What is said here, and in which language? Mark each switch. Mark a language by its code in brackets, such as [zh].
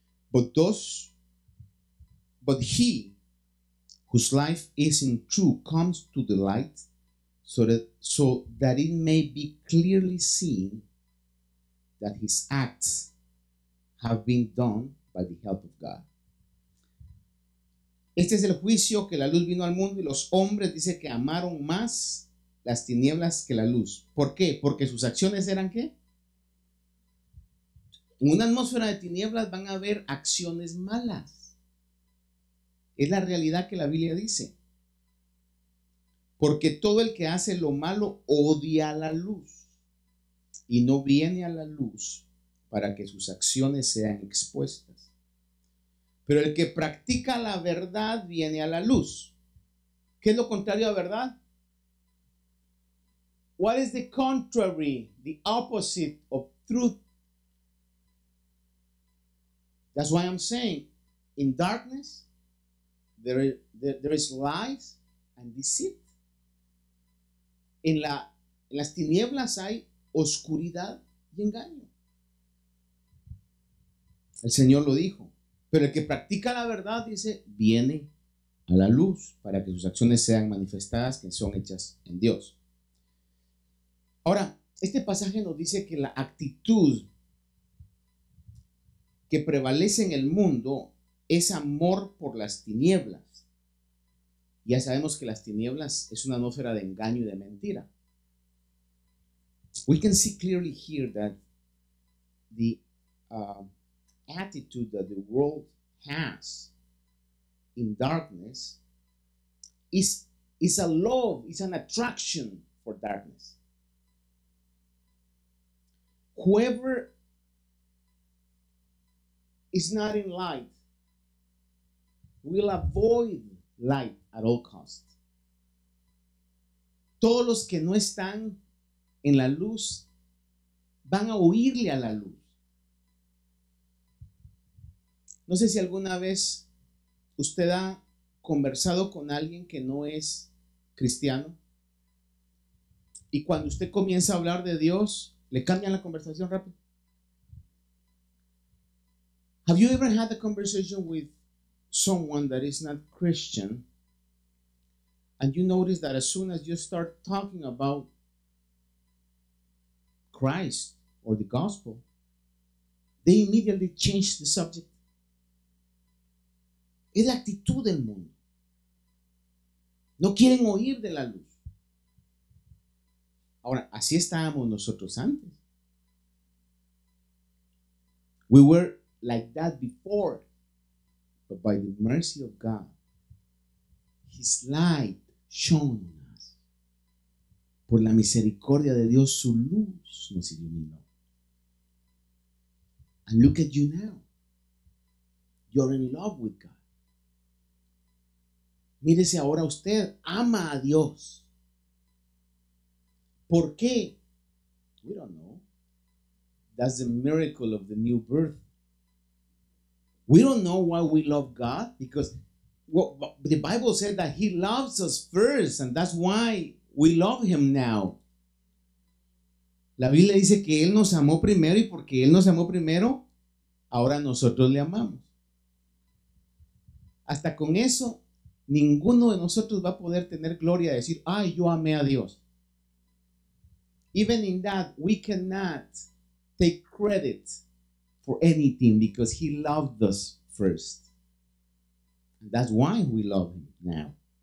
[en] But he whose life is in truth comes to the light so that it may be clearly seen that his acts have been done by the help of God. [es] Este es el juicio, que la luz vino al mundo y los hombres, dice, que amaron más las tinieblas que la luz. ¿Por qué? Porque sus acciones eran ¿qué? En una atmósfera de tinieblas van a haber acciones malas. Es la realidad que la Biblia dice. Porque todo el que hace lo malo odia la luz y no viene a la luz para que sus acciones sean expuestas. Pero el que practica la verdad viene a la luz. ¿Qué es lo contrario a verdad? [en] What is the contrary, the opposite of truth? That's why I'm saying, in darkness, there is lies and deceit. [es] En las tinieblas hay oscuridad y engaño. El Señor lo dijo. Pero el que practica la verdad, dice, viene a la luz para que sus acciones sean manifestadas, que son hechas en Dios. Ahora, este pasaje nos dice que la actitud que prevalece en el mundo es amor por las tinieblas. Ya sabemos que las tinieblas es una atmósfera de engaño y de mentira. [en] We can see clearly here that the attitude that the world has in darkness is a love, is an attraction for darkness. Whoever is not in light will avoid light at all costs. [es] Todos los que no están en la luz van a huirle a la luz. No sé si alguna vez usted ha conversado con alguien que no es cristiano y cuando usted comienza a hablar de Dios, le cambian la conversación rápido. [en] Have you ever had a conversation with someone that is not Christian and you notice that as soon as you start talking about Christ or the gospel, they immediately change the subject? [es] Es la actitud del mundo. No quieren oír de la luz. Ahora, así estábamos nosotros antes. [en] We were like that before. But by the mercy of God, His light shone on us. [es] Por la misericordia de Dios, su luz nos iluminó. [en] And look at you now. You're in love with God. [es] Mírese ahora usted, ama a Dios. ¿Por qué? [en] We don't know. That's the miracle of the new birth. We don't know why we love God, because the Bible said that He loves us first, and that's why we love Him now. [es] La Biblia dice que Él nos amó primero, y porque Él nos amó primero, ahora nosotros le amamos. Hasta con eso, ninguno de nosotros va a poder tener gloria de decir, ay, yo amé a Dios. [en] Even in that, we cannot take credit for anything because He loved us first. And that's why we love Him now.